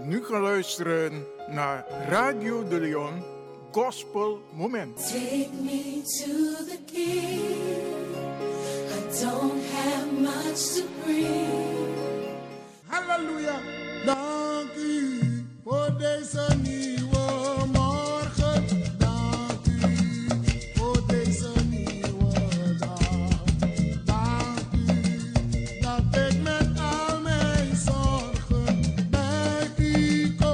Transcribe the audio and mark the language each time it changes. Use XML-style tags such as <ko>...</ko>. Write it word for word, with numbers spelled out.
<nl>Luisteren naar Radio De Leon Gospel Moment.</nl> <en>Take me to the king. I don't have much to bring.</en> <nl>Halleluja. Dank u voor deze nieuwe morgen. Dank u voor deze nieuwe dag. Dank u dat ik met al mijn zorgen bij u.</nl>